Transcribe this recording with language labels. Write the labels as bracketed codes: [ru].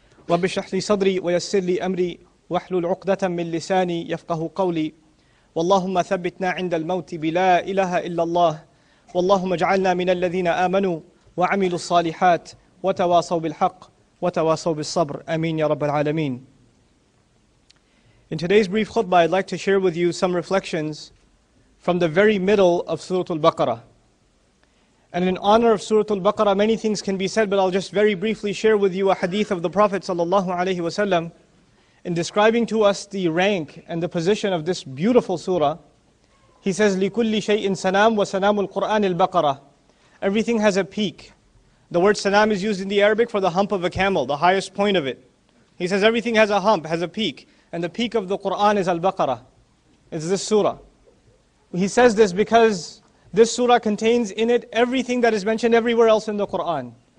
[ar] رب اشرح لي صدري ويسر لي أمري واحلل عقدة من لساني يفقه قولي واللهم ثبتنا عند الموت بلا إله إلا الله واللهم اجعلنا من الذين آمنوا وعملوا الصالحات وتواصوا بالحق وتواصوا بالصبر أمين يا رب العالمين. [en] In today's brief khutbah, I'd like to share with you some reflections from the very middle of Surah Al-Baqarah. And in honor of Surah Al-Baqarah, many things can be said, but I'll just very briefly share with you a hadith of the Prophet sallallahu alayhi wa sallam in describing to us the rank and the position of this beautiful surah. He says, [ar] لِكُلِّ شَيْءٍ سَنَامُ وَسَنَامُ الْقُرْآنِ الْبَقَرَةِ. [en] Everything has a peak. The word sanam is used in the Arabic for the hump of a camel, the highest point of it. He says everything has a hump, has a peak. And the peak of the Qur'an is al-Baqarah. It's this surah. He says this because this surah contains in it everything that is mentioned everywhere else in the Qur'an.